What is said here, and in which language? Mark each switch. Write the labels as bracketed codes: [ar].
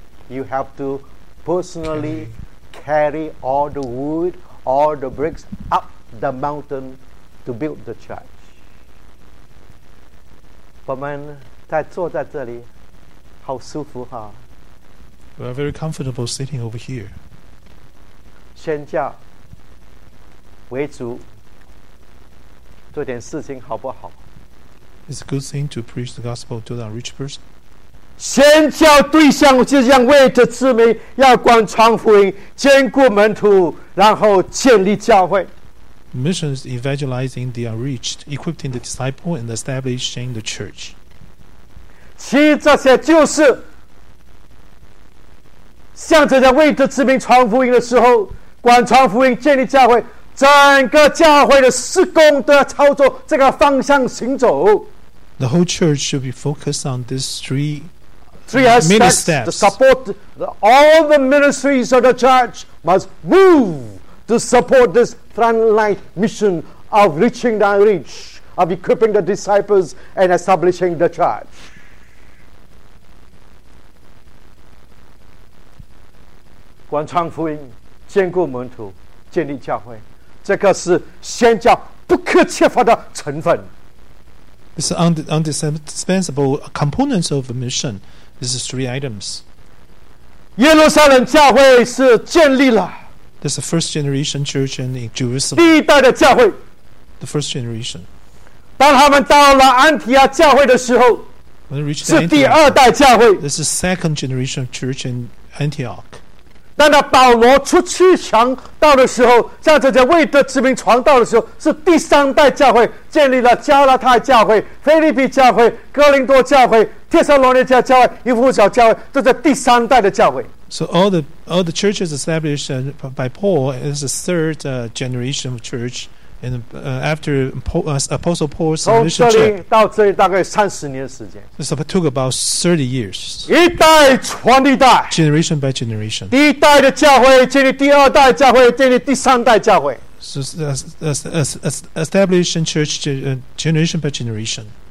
[en] You have to personally carry all the wood, all the bricks up the mountain to build the church. [zh] 我们在坐在这里，好舒服哈。 [en] We are very comfortable sitting over here. [zh] 宣教为主，做点事情好不好？ [en] It's a good thing to preach the gospel to the rich person. [zh] 宣教对象就像为着子民，要管传福音，兼顾门徒，然后建立教会。 [en] Mission is evangelizing the unreached, equipping the disciple, and establishing the church. [zh] 其实这些就是向着在未得之民传福音的时候，管传福音，建立教会，整个教会的事工都要操作这个方向行走。 [en] The whole church should be focused on these three aspects. The support, all the ministries of the church must move to support this frontline mission of reaching the unreached, of equipping the disciples and establishing the church. [zh] 管传福音，兼顾门徒，建立教会，这个是宣教不可缺乏的成分。 [en] It's an indispensable components of a mission. These are three items. [zh] 耶路撒冷教会是建立了。 [en] This is a first generation church in Jerusalem. [zh] 第一代的教会。 [en] The first generation. [zh] 当他们到了安提阿教会的时候， [en] When they reached the Antioch, [zh] 是第二代教会。 [en] This is second generation church in Antioch. [zh] 当他保罗出去传道的时候，向这些未得之民传道的时候，是第三代教会建立了加拉太教会、腓立比教会、哥林多教会、帖撒罗尼迦教会、以弗所教会，这是第三代的教会。 [en] So all the churches established by Paul is the third generation of church, and after Paul, Apostle Paul's mission trip. [zh] 从这里到这里大概30年时间。 [en] This took about 30 years. [zh] 一代传一代。 [en] Generation by generation. [zh] 第一代的教会建立第二代教会，建立第三代教会。 [en] So establishing church generation by generation.